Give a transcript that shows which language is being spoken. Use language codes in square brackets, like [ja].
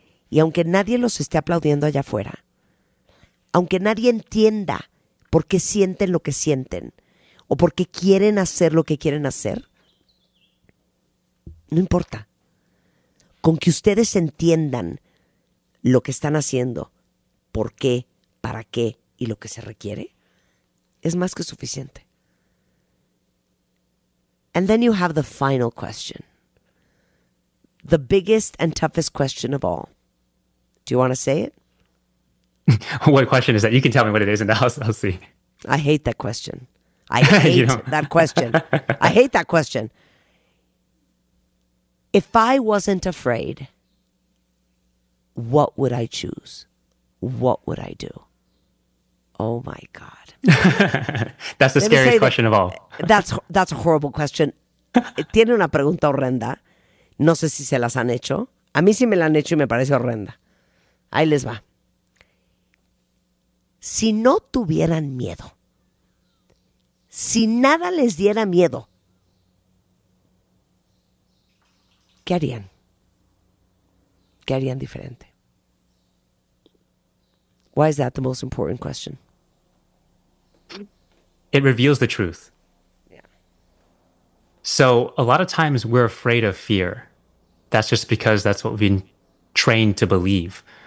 [es] Y aunque nadie los esté aplaudiendo allá afuera, aunque nadie entienda por qué sienten lo que sienten o por qué quieren hacer lo que quieren hacer, no importa. Con que ustedes entiendan lo que están haciendo, por qué, para qué, y lo que se requiere es más que suficiente. [en] And then you have the final question. The biggest and toughest question of all. Do you want to say it? What question is that? You can tell me what it is and I'll see. I hate that question. I hate that question. I hate that question. If I wasn't afraid, what would I choose? What would I do? Oh, my God. That's the scariest question of all. That's a horrible question. [es] Tiene una pregunta horrenda. No sé si se las han hecho. A mí sí me la han hecho y me parece horrenda. Ahí les va. Si no tuvieran miedo, si nada les diera miedo, ¿qué harían? ¿Qué harían diferente? [en] Why is that the most important question? It reveals the truth. So a lot of times we're afraid of fear. That's just because that's what we've been trained to believe.